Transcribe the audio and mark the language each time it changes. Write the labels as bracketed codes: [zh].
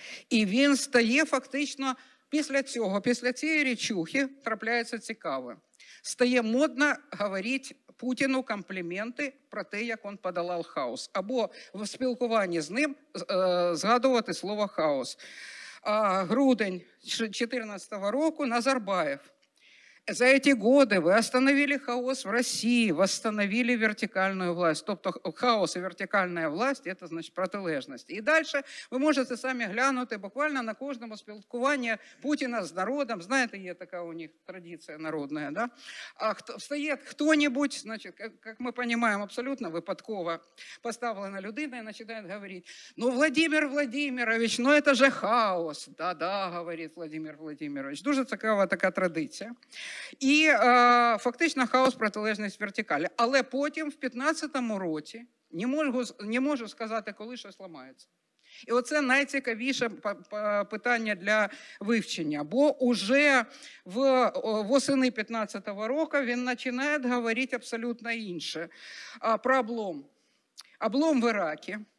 [uk] І він стає фактично після цього, після цієї речухи, трапляється цікаве. Стає модно говорити Путіну компліменти про те, як він подолав хаос. Або в спілкуванні з ним згадувати слово «хаос». Грудень 2014 року, Назарбаєв. [ru] За эти годы вы остановили хаос в России, восстановили вертикальную власть. Тобто хаос и вертикальная власть – это, значит, протилежность. И дальше вы можете сами глянуть буквально на каждом спілкуванні Путина с народом. Знаете, есть такая у них традиция народная, да? А стоит кто-нибудь, значит, как мы понимаем, абсолютно [uk] выпадково поставлена людина [ru] и начинает говорить, ну, Владимир Владимирович, ну это же хаос. Да-да, говорит Владимир Владимирович. [uk] Дуже цікава така традиція. І фактично хаос, протилежність, вертикалі. Але потім, в 15-му році, не можу сказати, коли щось ламається. І оце найцікавіше питання для вивчення. Бо уже восени 15-го року він починає говорити абсолютно інше. Про облом. Облом в Іракі.